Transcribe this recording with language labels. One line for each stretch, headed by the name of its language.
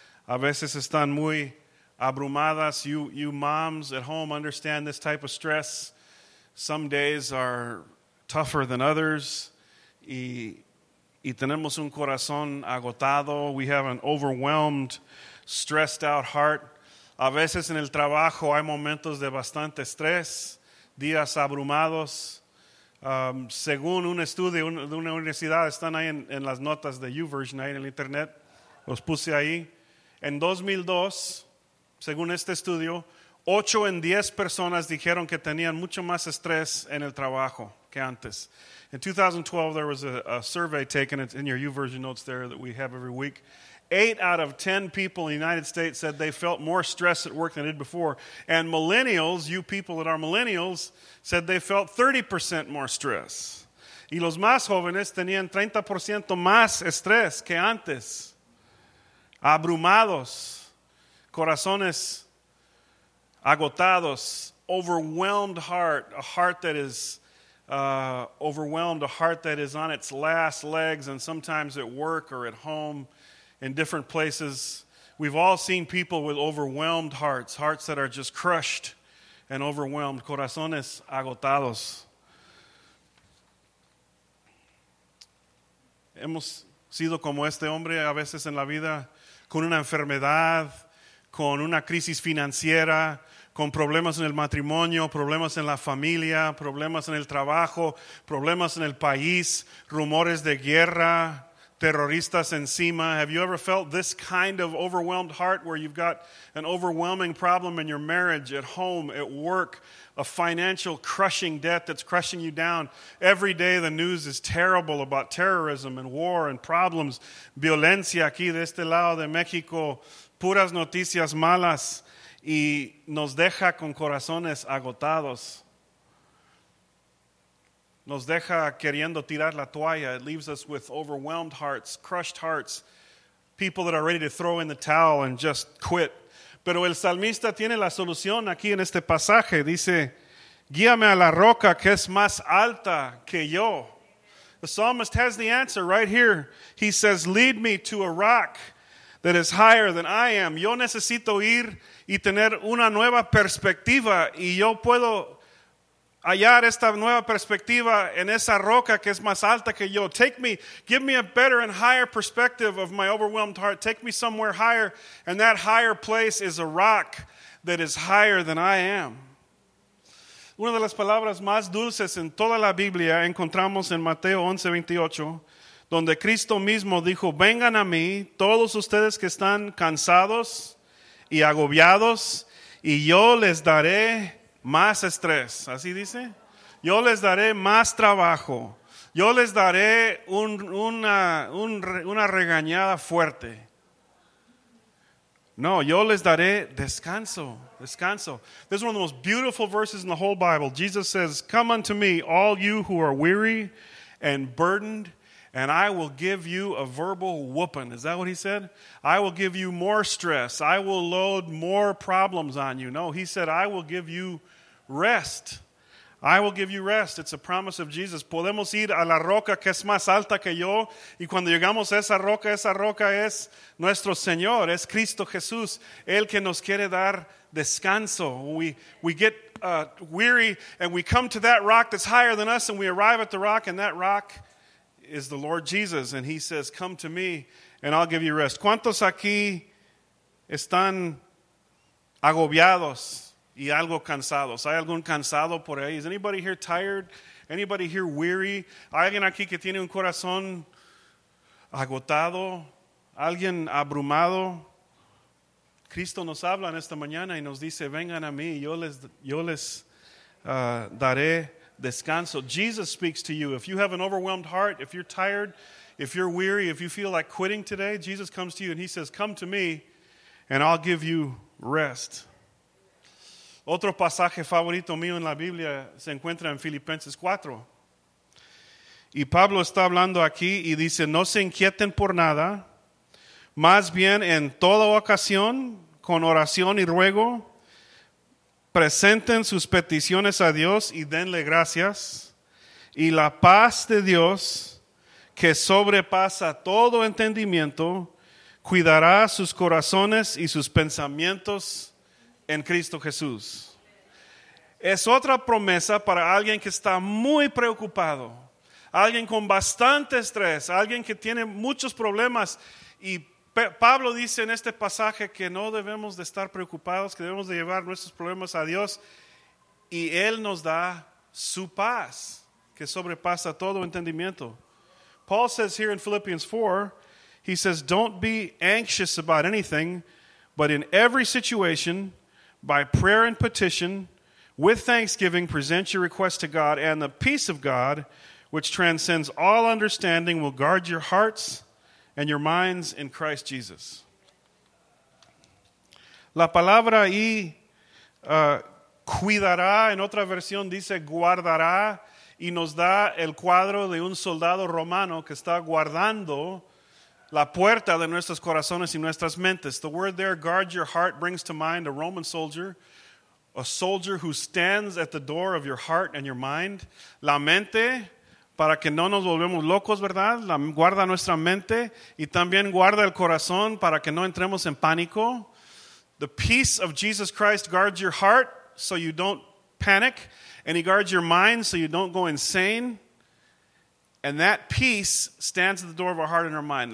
Spanish: A veces están muy abrumadas.
English: You moms at home understand this type of stress. Some days are tougher than others.
Spanish: Y tenemos un corazón agotado.
English: We have an overwhelmed, stressed out heart.
Spanish: A veces en el trabajo hay momentos de bastante estrés, días abrumados. Según un estudio de una universidad, están ahí en las notas de YouVersion, ahí en el internet, los puse ahí. En 2002, según este estudio, 8 en 10 personas dijeron que tenían mucho más estrés en el trabajo que antes.
English: In 2012, there was a survey taken, it's in your YouVersion notes there that we have every week. 8 out of 10 people in the United States said they felt more stress at work than they did before. And millennials, you people that are millennials, said they felt 30% more stress.
Spanish: Y los más jóvenes tenían 30% más estrés que antes. Abrumados. Corazones agotados.
English: Overwhelmed heart. A heart that is overwhelmed. A heart that is on its last legs. And sometimes at work or at home, in different places, we've all seen people with overwhelmed hearts, hearts that are just crushed and overwhelmed,
Spanish: corazones agotados. Hemos sido como este hombre a veces en la vida, con una enfermedad, con una crisis financiera, con problemas en el matrimonio, problemas en la familia, problemas en el trabajo, problemas en el país, rumores de guerra, terroristas encima.
English: Have you ever felt this kind of overwhelmed heart where you've got an overwhelming problem in your marriage, at home, at work, a financial crushing debt that's crushing you down? Every day the news is terrible about terrorism and war and problems.
Spanish: Violencia aquí de este lado de México, puras noticias malas y nos deja con corazones agotados. Nos deja queriendo tirar la toalla.
English: It leaves us with overwhelmed hearts, crushed hearts, people that are ready to throw in the towel and just quit.
Spanish: Pero el salmista tiene la solución aquí en este pasaje. Dice, guíame a la roca que es más alta que yo.
English: The psalmist has the answer right here. He says, lead me to a rock that is higher than I am.
Spanish: Yo necesito ir y tener una nueva perspectiva y yo puedo hallar esta nueva perspectiva en esa roca que es más alta que yo.
English: Take me, give me a better and higher perspective of my overwhelmed heart. Take me somewhere higher, and that higher place is a rock that is higher than I am.
Spanish: Una de las palabras más dulces en toda la Biblia encontramos en Mateo 11:28, donde Cristo mismo dijo, vengan a mí todos ustedes que están cansados y agobiados y yo les daré más estrés. ¿Así dice? Yo les daré más trabajo. Yo les daré una regañada fuerte. No, yo les daré descanso. Descanso.
English: This is one of the most beautiful verses in the whole Bible. Jesus says, come unto me, all you who are weary and burdened, and I will give you a verbal whooping. Is that what he said? I will give you more stress. I will load more problems on you. No, he said, I will give you rest. I will give you rest. It's a promise of Jesus.
Spanish: Podemos ir a la roca que es más alta que yo. Y cuando llegamos a esa roca es nuestro Señor. Es Cristo Jesús. El que nos quiere dar descanso.
English: We get weary and we come to that rock that's higher than us. And we arrive at the rock. And that rock is the Lord Jesus. And he says, come to me and I'll give you rest.
Spanish: ¿Cuántos aquí están agobiados? Y algo cansados. ¿Hay algún cansado por ahí?
English: Is anybody here tired? Anybody here weary?
Spanish: ¿Hay alguien aquí que tiene un corazón agotado? ¿Alguien abrumado? Cristo nos habla en esta mañana y nos dice, vengan a mí, yo les daré descanso.
English: Jesus speaks to you. If you have an overwhelmed heart, if you're tired, if you're weary, if you feel like quitting today, Jesus comes to you and he says, come to me and I'll give you rest.
Spanish: Otro pasaje favorito mío en la Biblia se encuentra en Filipenses 4. Y Pablo está hablando aquí y dice, no se inquieten por nada, más bien en toda ocasión, con oración y ruego, presenten sus peticiones a Dios y denle gracias. Y la paz de Dios, que sobrepasa todo entendimiento, cuidará sus corazones y sus pensamientos en Cristo Jesús. Es otra promesa para alguien que está muy preocupado, alguien con bastante estrés, alguien que tiene muchos problemas. Y Pablo dice en este pasaje que no debemos de estar preocupados, que debemos de llevar nuestros problemas a Dios, y él nos da su paz que sobrepasa todo entendimiento.
English: Paul says here in Philippians 4, he says, don't be anxious about anything, but in every situation, by prayer and petition, with thanksgiving, present your request to God, and the peace of God, which transcends all understanding, will guard your hearts and your minds in Christ Jesus.
Spanish: La palabra ahí, cuidará, en otra versión dice guardará, y nos da el cuadro de un soldado romano que está guardando la puerta de nuestros corazones y nuestras mentes.
English: The word there, guard your heart, brings to mind a Roman soldier. A soldier who stands at the door of your heart and your mind.
Spanish: La mente, para que no nos volvemos locos, ¿verdad? La guarda nuestra mente. Y también guarda el corazón para que no entremos en pánico.
English: The peace of Jesus Christ guards your heart so you don't panic. And he guards your mind so you don't go insane. And that peace stands at the door of our heart and our mind.